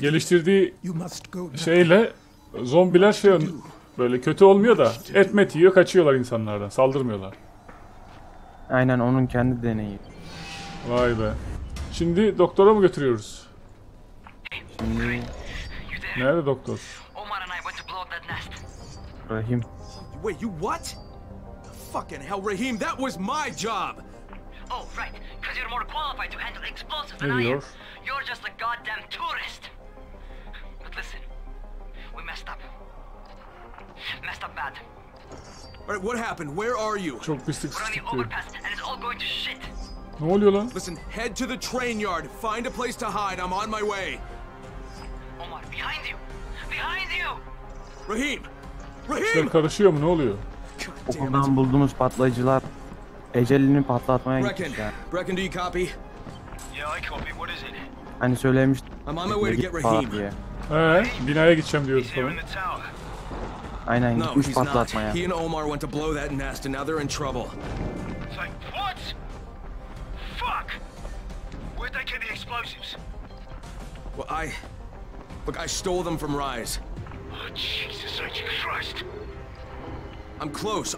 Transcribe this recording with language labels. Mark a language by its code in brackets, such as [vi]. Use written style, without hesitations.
[tr] Geliştirdiği şeyle zombiler şey böyle kötü olmuyor da etmet yiyor, kaçıyorlar insanlardan, saldırmıyorlar. Aynen, onun kendi deneyi. Vay be. Şimdi doktora mı götürüyoruz? Şimdi... Nerede doktor? [en] Omar and I went to blow up that nest. Rahim. Wait, you what? Fucking hell, Rahim, that was my job. Oh, right. Because you're more qualified to handle explosives than I am. You're just a goddamn tourist. But listen, we messed up. Messed up bad. All right, what happened? Where are you? [tr] Çok pislik. [en] We're on the overpass and it's all going to shit. [tr] Ne oluyor lan? [en] Listen, head to the train yard. Find a place to hide. I'm on my way. Omar, behind you! Behind you! Rahim! Rahim! [tr] İşler karışıyor mu? Ne oluyor? Okuldan bulduğumuz patlayıcılar ecelini patlatmaya gitmişler. [en] Brecken, Brecken, do you copy? Yeah, I copy. What is it? [tr] Hani söylemiştim. [en] I'm on my way to get Rahim. [tr] Binaya gideceğim diyoruz falan. Aynen, gitmiş patlatmaya. [en] No, he's not. He and Omar went to blow that nest and now they're in trouble. It's like, what? Fuck! Where'd they get the explosives? Well, I... Look, I stole them from Rise. Oh, Jesus, I just crushed. I'm close.